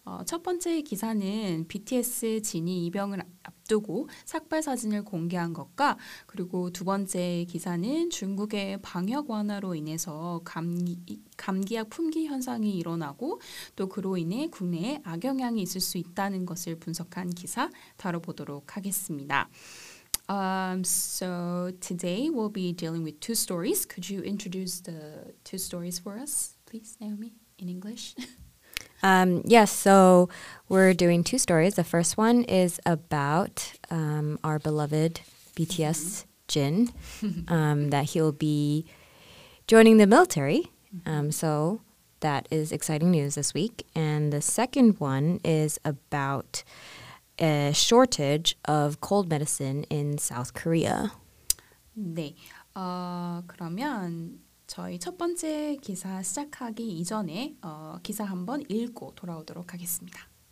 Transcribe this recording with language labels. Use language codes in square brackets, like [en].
[ko] 첫 번째 기사는 BTS 진이 이병을 앞두고 삭발 사진을 공개한 것과 그리고 두 번째 기사는 중국의 방역 완화로 인해서 감기약 품귀 현상이 일어나고 또 그로 인해 국내에 악영향이 있을 수 있다는 것을 분석한 기사 다뤄보도록 하겠습니다. [en] So today we'll be dealing with two stories. Could you introduce the two stories for us, please, Naomi, in English? Yes, so we're doing two stories. The first one is about our beloved BTS mm-hmm. Jin, that he'll be joining the military. So that is exciting news this week. And the second one is about a shortage of cold medicine in South Korea. [ko] 네. 그러면 저희 첫 번째 기사 시작하기 이전에 기사 한번 읽고 돌아오도록 하겠습니다.